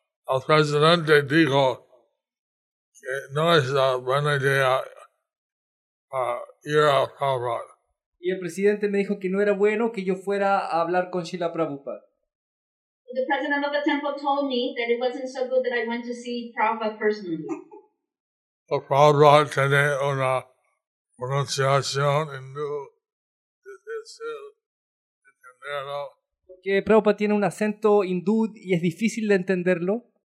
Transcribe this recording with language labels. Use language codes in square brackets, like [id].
[es] Y el presidente dijo, no es la buena idea ir a Prabhupada. Y el presidente me dijo que no era bueno que yo fuera a hablar con Srila Prabhupada. [en] The president of the temple told me that it wasn't so good that I went to see Prabhupada personally. [es] Prabhupada tiene una pronunciación hindú difícil de entenderlo. Porque Prabhupada tiene un acento hindú y es difícil de entenderlo.